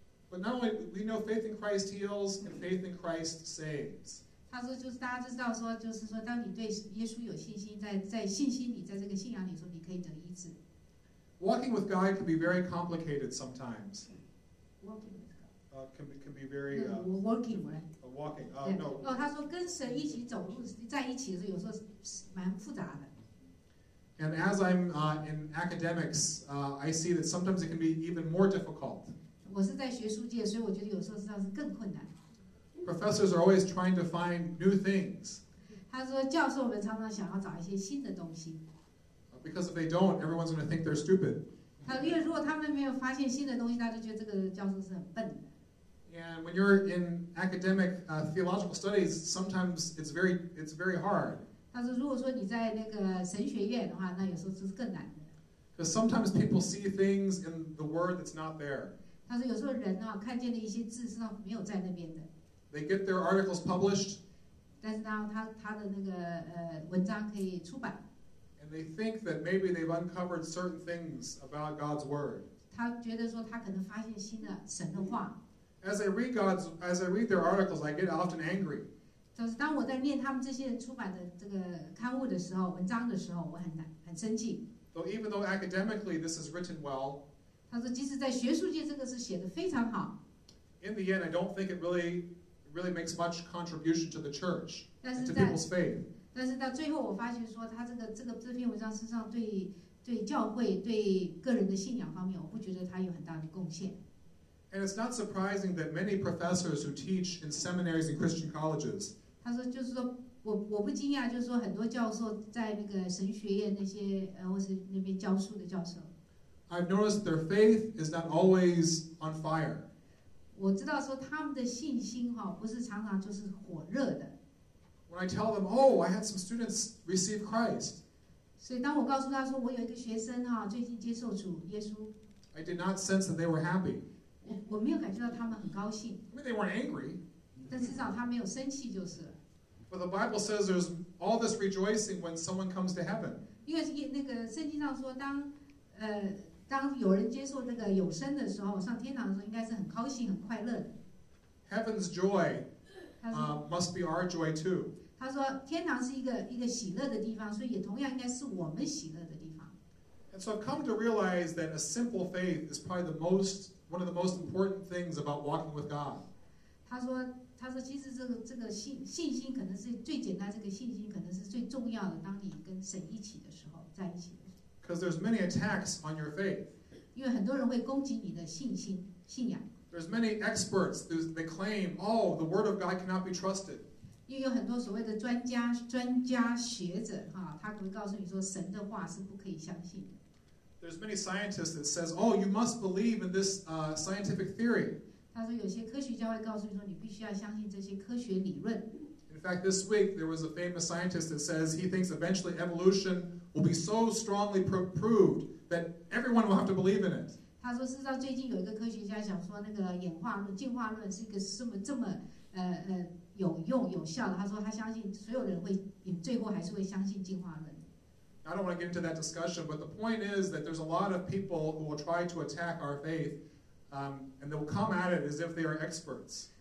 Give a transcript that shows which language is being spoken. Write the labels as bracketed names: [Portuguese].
[English] but not only we know faith in Christ heals and faith in Christ saves. [Chinese] 他说就是大家知道说就是说当你对耶稣有信心在信心里在这个信仰里说你可以得医治。 [English] Walking with God can be very complicated sometimes. Walking with God. Can be very walking, right? Walking. No. [Chinese] 他说跟神一起走路在一起的时候有时候蛮复杂的。 [English] And as I'm in academics, I see that sometimes it can be even more difficult. [Chinese] 我是在学术界，所以我觉得有时候实际上是更困难。 [English] Professors are always trying to find new things. [Chinese] 他说教授们常常想要找一些新的东西。 [English] Because if they don't, everyone's going to think they're stupid. [Chinese] 他因为如果他们没有发现新的东西，他就觉得这个教授是很笨的。 [English] And when you're in academic theological studies, sometimes it's very hard. [Chinese] 他说如果说你在那个神学院的话，那有时候就是更难的。 [English] Because sometimes people see things in the word that's not there. [Chinese] 他说有时候人啊，看见的一些字实际上没有在那边的。 [English] They get their articles published. [Chinese] 但是当他的那个文章可以出版。 [English] And they think that maybe they've uncovered certain things about God's word. [Chinese] 他觉得说他可能发现新的神的话。 [English] As I read their articles, I get often angry. [Chinese] 就是当我在念他们这些出版的这个刊物的时候，文章的时候，我很生气。 [English] Though even though academically this is written well. [Chinese] 他说即使在学术界这个是写的非常好。 [English] In the end, I don't think it really makes much contribution to the church and to people's faith. [Chinese] 但是到最后我发现说他这篇文章实际上对教会对个人的信仰方面我不觉得他有很大的贡献。 [English] And it's not surprising that many professors who teach in seminaries and Christian colleges. [Chinese] 他说就是说我不惊讶就是说很多教授在那个神学院那些或是那边教书的教授。 [English] I've noticed their faith is not always on fire. [Chinese] 我知道说他们的信心哈，不是常常就是火热的。 [English] When I tell them, oh, I had some students receive Christ. [Chinese] 所以当我告诉他说我有一个学生哈，最近接受主耶稣。 [English] I did not sense that they were happy. [Chinese] 我没有感觉到他们很高兴。 [English] I mean, they weren't angry. [Chinese] 但至少他没有生气就是。 [English] But the Bible says there's all this rejoicing when someone comes to heaven. [Chinese] 因为那个圣经上说当有人接受那个永生的时候，上天堂的时候，应该是很高兴、很快乐的。 [English] Heaven's joy, must be our joy too. [Chinese] 他说，天堂是一个喜乐的地方，所以也同样应该是我们喜乐的地方。 [English] And so I've come to realize that a simple faith is probably one of the most important things about walking with God. [Chinese] 他说，他说其实这个 信心可能是最简单，这个信心可能是最重要的，当你跟神一起的时候，在一起的时候。 [English] Because there's many attacks on your faith. [Chinese] 因为很多人会攻击你的信心信仰。 [English] There's many experts that claim, oh, the word of God cannot be trusted. [Chinese] 因为有很多所谓的专家学者哈，他会告诉你说神的话是不可以相信的。 [English] There's many scientists that says, oh, you must believe in this scientific theory. [Chinese] 他说有些科学家会告诉你说你必须要相信这些科学理论。 [English] In fact, this week, there was a famous scientist that says he thinks eventually evolution will be so strongly proved that everyone will have to believe in it. [Chinese] 他说事实上最近有一个科学家讲说那个演化论、进化论是一个这么有用、有效的。他说他相信所有人会，你最后还是会相信进化论。 [English] I don't want to get into that discussion, but the point is that there's a lot of people who will try to attack our faith, and they will come at it as if they are experts.